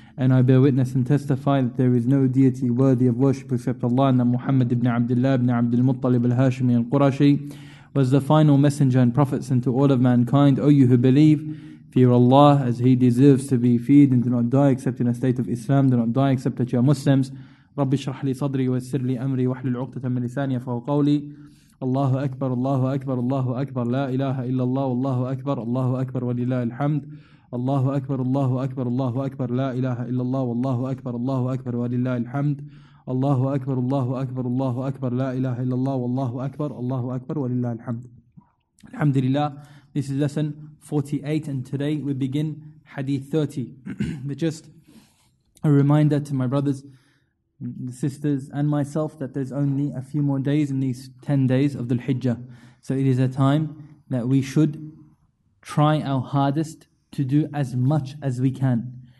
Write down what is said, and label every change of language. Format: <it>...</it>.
<en>And I bear witness and testify that there is no deity worthy of worship except Allah, and that Muhammad ibn Abdullah ibn Abdul Muttalib al-Hashimi al-Qurashi was the final messenger and prophet sent to all of mankind. O you who believe, fear Allah as he deserves to be feared, and do not die except in a state of Islam, do not die except that you are Muslims.</en> <ar>رَبِّ شَرْحْ لِي صَدْرِي وَيَسِّرْ لِي أَمْرِي وَحْلُلْ عُقْدَةً مِنْ لِسَانِي يَفْقَهُوا قَوْلِي. الله أكبر الله أكبر الله أكبر لا إله إلا الله والله أكبر الله أكبر ولله الحمد. الله أكبر الله أكبر الله أكبر لا إله إلا الله والله أكبر الله أكبر ولله الحمد. الله أكبر الله أكبر الله أكبر لا إله إلا الله والله أكبر الله أكبر ولله الحمد. الحمد لله.</ar> <en>This is lesson 48 and today we begin hadith 30. But just a reminder to my brothers, the sisters and myself, that there's only a few more days in these 10 days of Dhul Hijjah. So it is a time that we should try our hardest to do as much as we can.</en>